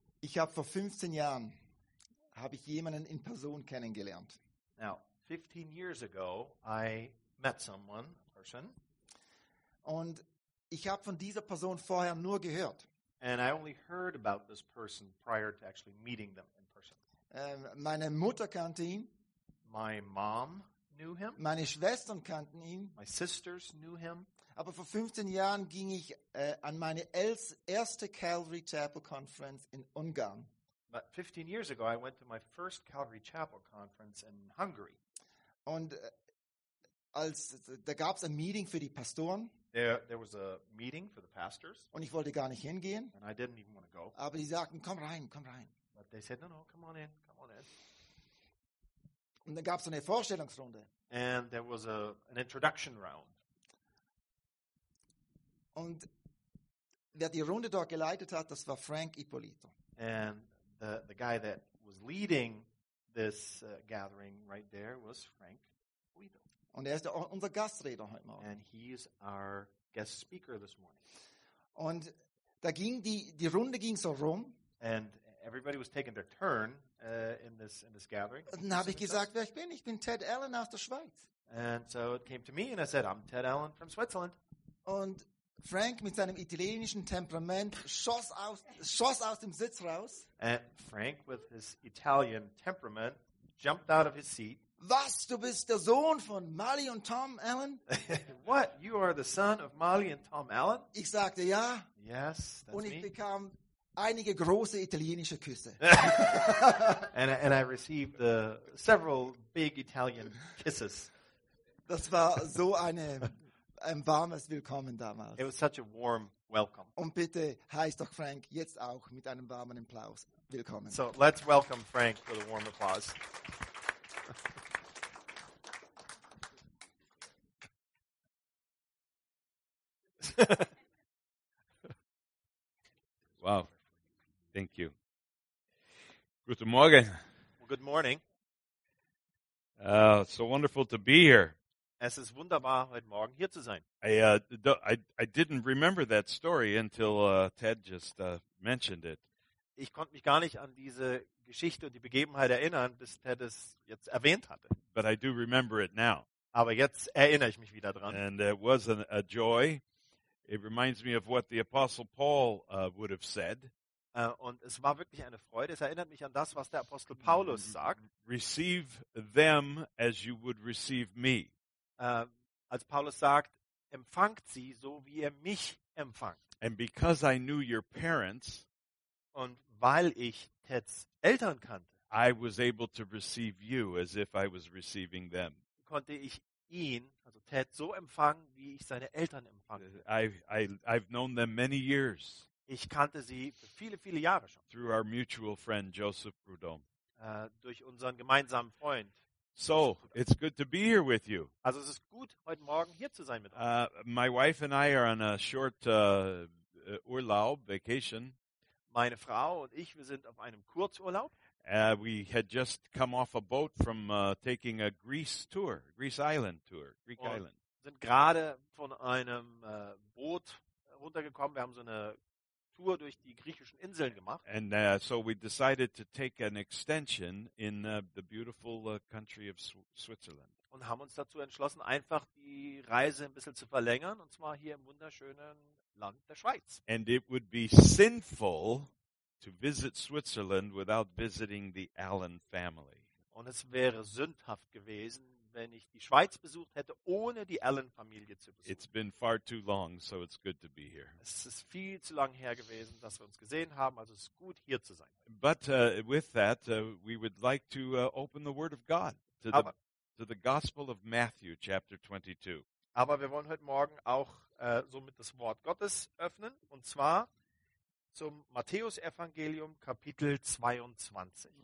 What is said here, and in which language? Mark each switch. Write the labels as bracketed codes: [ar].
[de] Ich habe vor 15 Jahren habe ich jemanden in Person kennengelernt. [en] Now, 15 years ago, I met someone, person. [de] Und ich habe von dieser Person vorher nur gehört. [en] And I only heard about this person prior to actually meeting them in person. [de] Meine Mutter kannte ihn. [en] My mom knew him. [de] Meine Schwestern kannten ihn. [en] My sisters knew him. [de] Aber vor 15 Jahren ging ich an meine erste Calvary Chapel Conference in Ungarn. [en] But 15 years ago, I went to my first Calvary Chapel Conference in Hungary. [de] Und als da gab es ein Meeting für die Pastoren. [en] There was a meeting for the pastors. [de] Und ich wollte gar nicht hingehen. [en] And I didn't even want to go. [de] Aber die sagten, komm rein, komm rein. [en] But they said, no, come on in, come on in. [de] Und dann gab es eine Vorstellungsrunde. [en] And there was an introduction round. [de] Und wer die Runde dort geleitet hat, das war Frank Ippolito. [en] And the guy that was leading this gathering right there was Frank Ippolito. [de] Und er ist unser Gastredner heute Morgen. [en] And he is our guest speaker this morning. [de] Und da ging die Runde ging so rum. [en] And everybody was taking their turn in this gathering. [de] Und dann habe ich gesagt, wer ich bin. Ich bin Ted Allen aus der Schweiz. [en] And so it came to me and I said, I'm Ted Allen from Switzerland. [de] Und Frank mit seinem italienischen Temperament schoss aus dem Sitz raus. [en] And Frank with his Italian temperament jumped out of his seat. [de] Was, du bist der Sohn von Molly und Tom Allen? [en] What, you are the son of Molly and Tom Allen? [de] Ich sagte ja. [en] Yes, that's me. [de] Und ich bekam einige große italienische Küsse. [en] and I received several big Italian kisses. [de] Das war so ein warmes Willkommen damals. [en] It was such a warm welcome. [de] Und bitte heißt doch Frank jetzt auch mit einem warmen Applaus willkommen. [en] So let's welcome Frank with a warm applause. Wow. Thank you. [de] Guten Morgen. [en] Well, good morning. It's so wonderful to be here. [de] Es ist wunderbar, heute Morgen hier zu sein. [en] I didn't remember that story until Ted just mentioned it. [de] Ich konnte mich gar nicht an diese Geschichte und die Begebenheit erinnern, bis Ted es jetzt erwähnt hatte. [en] But I do remember it now. [de] Aber jetzt erinnere ich mich wieder dran. [en] And it was a joy. It reminds me of what the Apostle Paul would have said. [de] Und es war wirklich eine Freude. Es erinnert mich an das, was der Apostel Paulus sagt. [en] Receive them as you would receive me. [de] Als Paulus sagt, empfangt sie so, wie ihr mich empfangt. [en] And because I knew your parents, [de] und weil ich Teds Eltern kannte, [en] I was able to receive you as if I was receiving them. [de] Konnte ich ihn, also Ted, so empfangen, wie ich seine Eltern empfange. [en] I've known them many years. [de] Ich kannte sie für viele, viele Jahre schon. [en] Through our mutual friend Joseph Prudhomme. [de] Durch unseren gemeinsamen Freund. [en] So, it's good to be here with you. [de] Also es ist gut, heute Morgen hier zu sein mit euch. [en] My wife and I are on a short Urlaub, vacation. [de] Meine Frau und ich, wir sind auf einem Kurzurlaub. [en] We had just come off a boat from taking a Greek island. [de] Wir sind gerade von einem Boot runtergekommen. Wir haben so eine Tour durch die griechischen Inseln gemacht. [en] And so we decided to take an extension in the beautiful country of Switzerland. [de] Und haben uns dazu entschlossen, einfach die Reise ein bisschen zu verlängern, und zwar hier im wunderschönen Land der Schweiz. [en] And it would be sinful to visit Switzerland without visiting the Allen family. [de] Und es wäre sündhaft gewesen, wenn ich die Schweiz besucht hätte, ohne die Allen-Familie zu besuchen. [en] It's been far too long, so it's good to be here. [de] Es ist viel zu lang her gewesen, dass wir uns gesehen haben, also es ist gut, hier zu sein. [en] But with that, we would like to open the Word of God to the Gospel of Matthew, chapter 22. [de] Aber wir wollen heute Morgen auch somit das Wort Gottes öffnen, und zwar zum Matthäus-Evangelium, Kapitel 22.